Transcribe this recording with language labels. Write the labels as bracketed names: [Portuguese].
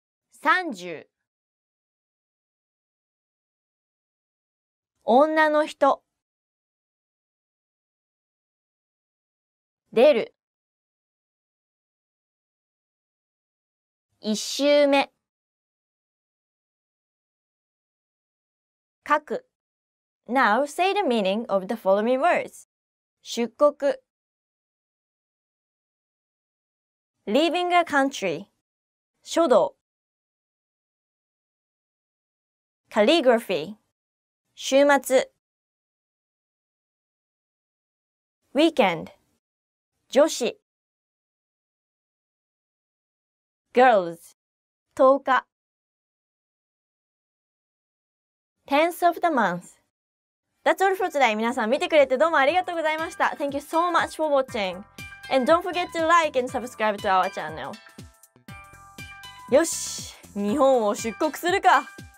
[Japanese] 三十女の人出る一週目書く [English] Now, say the meaning of the following words. 出国 Leaving a country [Japanese] 書道 [English] Calligraphy 週末 Weekend 女子 Girls 10日 Tenth of the month That's all for today. [Japanese] 皆さん見てくれてどうもありがとうございました。 [English] Thank you so much for watching. And don't forget to like and subscribe to our channel. [Japanese] よし、日本を出国するか。